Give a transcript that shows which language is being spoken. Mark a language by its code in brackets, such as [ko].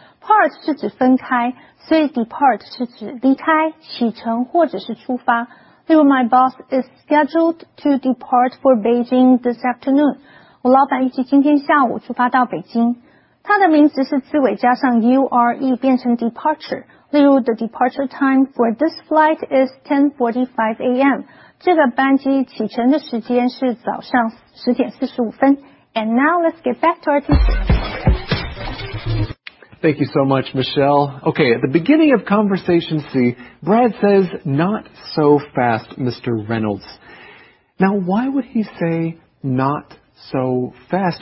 [zh] part 是指分开，所以 depart 是指离开、启程或者是出发。例如 [en] ,my boss is scheduled to depart for Beijing this afternoon. [zh] 我老板预计今天下午出发到北京。他的名字是字尾加上 ure 变成 departure。例如 [en] ,the departure time for this flight is 10:45 a.m. [zh] 这个班机启程的时间是早上10:45。 [en] And now let's get back to our teacher. Thank you so much, Michelle. Okay, at the beginning of conversation C, Brad says, not so fast, Mr. Reynolds. Now, why would he say not so fast?